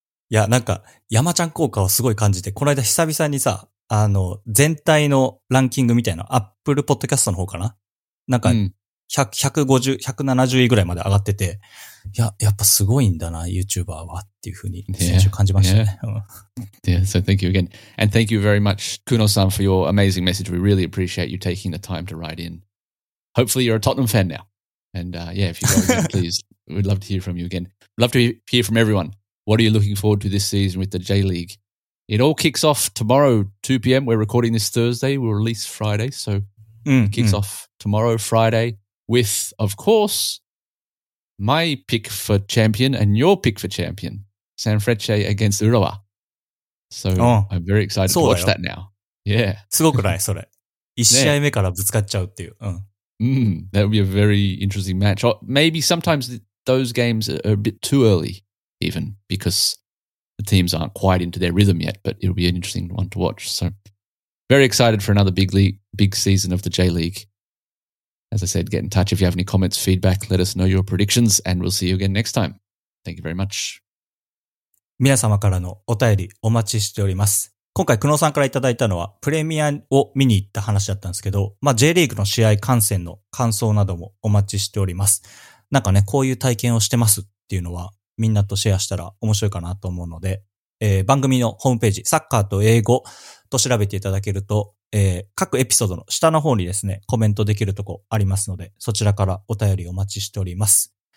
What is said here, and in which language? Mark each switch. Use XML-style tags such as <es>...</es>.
<ja>いや、なんか、山ちゃん効果をすごい感じて、この間久々にさ、全体のランキングみたいな、Apple Podcast の方かな？なんか、150、170位ぐらいまで上がってて、いや、やっぱすごいんだな、YouTuber はっていうふうに、先週感じましたね。</ja> <en>Yeah. Yeah, so thank you again. And thank you very much, Kuno-san, for your amazing message. We really appreciate you taking the time to write in. Hopefully you're a Tottenham fan now. And yeah, if you go again, please, we'd love to hear from you again. Love to hear from everyone. What are you looking forward to this season with the J-League? It all kicks off tomorrow, 2 p.m. We're recording this Thursday. We'll release Friday. So it kicks off tomorrow, Friday, with, of course, my pick for champion and your pick for champion, Sanfrecce against Urawa. So I'm very excited to watch that now. Yeah.</en> <ja>すごくない？それ。一試合目からぶつかっちゃうっていう。</ja> <en>That would be a very interesting match. Or maybe sometimes those games are a bit too early, even because the teams aren't quite into their rhythm yet, but it'll be an interesting one to watch. So very excited for another big season of the J-League. As I said, get in touch if you have any comments, feedback, let us know your predictions, and we'll see you again next time. Thank you very much.</en> <ja>皆様からのお便りお待ちしております。今回、久野さんからいただいたのは、プレミアを見に行った話だったんですけど、まあ、J リーグの試合観戦の感想などもお待ちしております。なんかね、こういう体験をしてますっていうのは、みんなとシェアしたら面白いかなと思うので、番組のホームページ、サッカーと英語と調べていただけると、各エピソードの下の方にですね、コメントできるとこありますので、そちらからお便りお待ちしております。</ja>